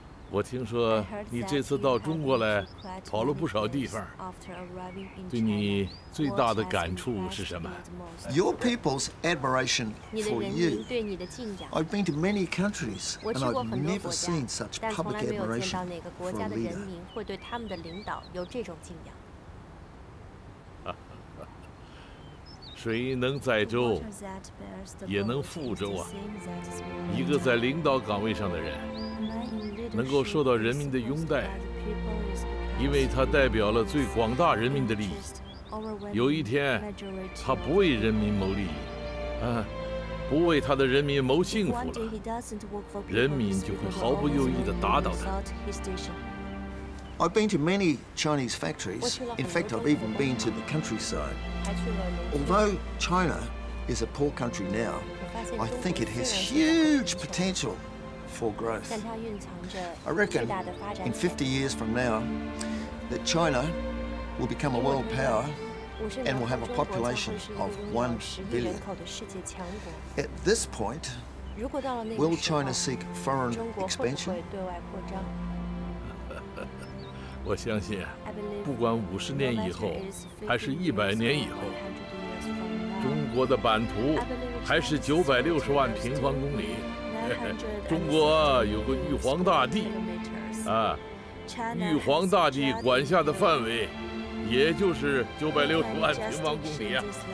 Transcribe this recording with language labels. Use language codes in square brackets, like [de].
[zh] 我听说你这次到中国来跑了不少地方，对你最大的感触是什么？ [en] Your people's admiration for you. I've been to many countries and I've never seen such public admiration for a leader. [zh] 谁能载舟也能覆舟啊，一个在领导岗位上的人能够受到人民的拥戴，因为他代表了最广大人民的利益。有一天，他不为人民谋利益，不为他的人民谋幸福了，人民就会毫不犹豫地打倒他。 [en] I've been to many Chinese factories. In fact, I've even been to the countryside. Although China is a poor country now, I think it has huge potential for growth. I reckon in 50 years from now that China will become a world power and will have a population of 1 billion. At this point, will China seek foreign expansion? [zh] 我相信啊，不管50年以后，还是100年以后，中国的版图还是960万平方公里。中国有个玉皇大帝，啊，玉皇大帝管辖的范围，也就是960万平方公里啊。